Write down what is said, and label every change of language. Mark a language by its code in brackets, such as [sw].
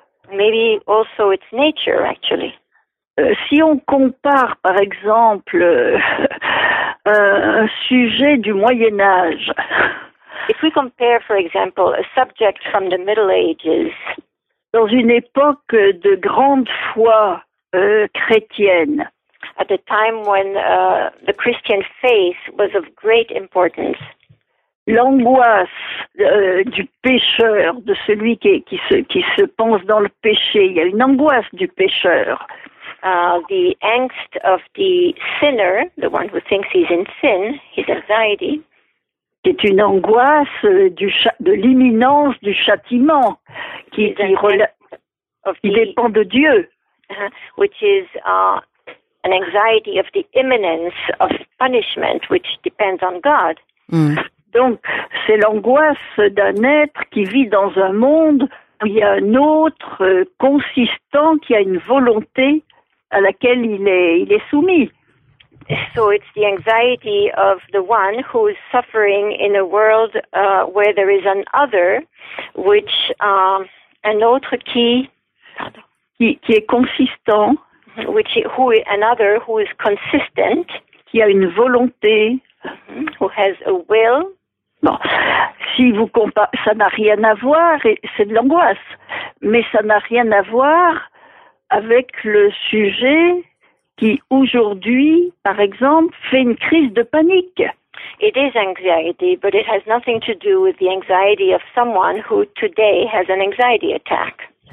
[en] Maybe also its nature, actually. [fr] Si on compare, par exemple, un sujet du Moyen Âge. [en] If we compare, for example, a subject from the Middle Ages. [fr] Dans une époque de grande foi chrétienne. [en] At a time when the Christian faith was of great importance. [fr] L'angoisse du pécheur, de celui qui se pense dans le péché. Il y a une angoisse du pécheur. [en] The angst of the sinner, the one who thinks he's in sin, his anxiety. [fr] C'est une angoisse de l'imminence du châtiment qui dépend de Dieu. [en] Which is an anxiety of the imminence of punishment, which depends on God. Mm. [fr] Donc, c'est l'angoisse d'un être qui vit dans un monde où il y a un autre consistant qui a une volonté à laquelle il est soumis. [en] So it's the anxiety of the one who is suffering in a world where there is an other, which an autre [fr] qui est consistant, [en] who is consistent, [fr] qui a une volonté, [en] who has a will. [fr] Bon, si vous comparez, ça n'a rien à voir, et c'est de l'angoisse, mais ça n'a rien à voir avec le sujet qui aujourd'hui, par exemple, fait une crise de panique. [en] It is anxiety, but it has nothing to do with the anxiety of someone who today has an anxiety attack.